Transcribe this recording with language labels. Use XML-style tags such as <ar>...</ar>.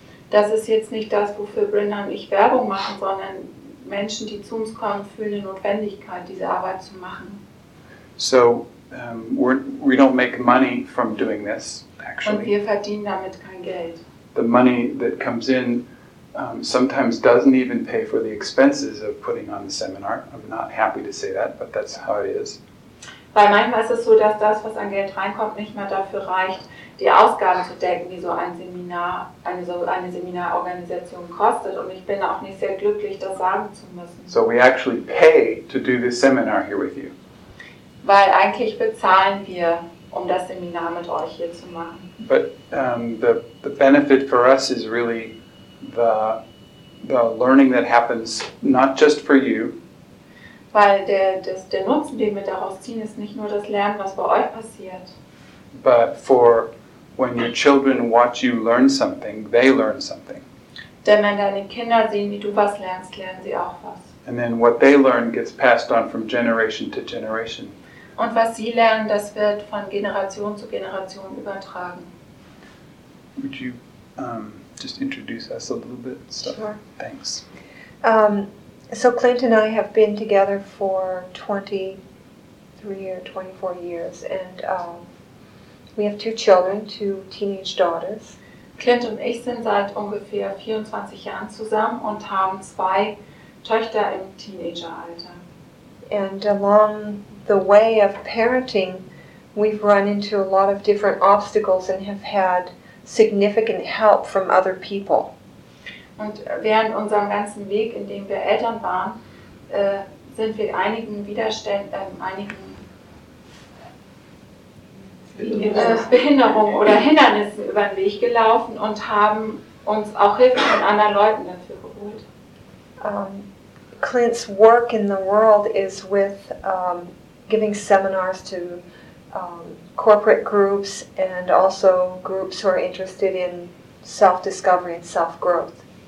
<de>Das ist jetzt nicht das, wofür Brenda und ich Werbung machen, sondern Menschen, die zu uns kommen, fühlen die Notwendigkeit, diese Arbeit zu machen.</de> <en>So we don't make money from doing this, actually.</en> <de>Und wir verdienen damit kein Geld.</de> <en>The money that comes in sometimes doesn't even pay for the expenses of putting on the seminar. I'm not happy to say that, but that's how it is.</en> <de>Weil manchmal ist es so, dass das, was an Geld reinkommt, nicht mehr dafür reicht, die Ausgaben zu decken, die so ein Seminar, eine Seminarorganisation kostet. Und ich bin auch nicht sehr glücklich, das sagen zu müssen.</de> <en>So we actually pay to do this seminar here with you.</en> <de>Weil eigentlich bezahlen wir, um das Seminar mit euch hier zu machen.</de> <en>But the benefit for us is really the learning that happens not just for you.</en> <de>Weil der Nutzen, den wir daraus ziehen, ist nicht nur das Lernen, was bei euch passiert.</de> <en>But for when your children watch you learn something, they learn something.</en> <de>Denn wenn deine Kinder sehen, wie du was lernst, lernen sie auch was.</de> <en>And then what they learn gets passed on from generation to generation.</en> <de>Und was sie lernen, das wird von Generation zu Generation übertragen.</de> <en>Would you just introduce us a little bit? Sure. Thanks. So Clint and I have been together for 23 or 24 years, and we have two children, two teenage daughters.</en> <de>Clint und ich sind seit ungefähr 24 Jahren zusammen und haben zwei Töchter im Teenageralter.</de> <en>And along the way of parenting, we've run into a lot of different obstacles and have had significant help from other people.</en> <de>Und während unserem ganzen Weg, in dem wir Eltern waren, sind wir einigen Widerständen, einigen Behinderungen oder Hindernissen über den Weg gelaufen und haben uns auch Hilfe von anderen Leuten dafür geholt.</de> <en>Clint's work in the world is with giving seminars to corporate groups and also groups who are interested in self-discovery and self-growth.</en>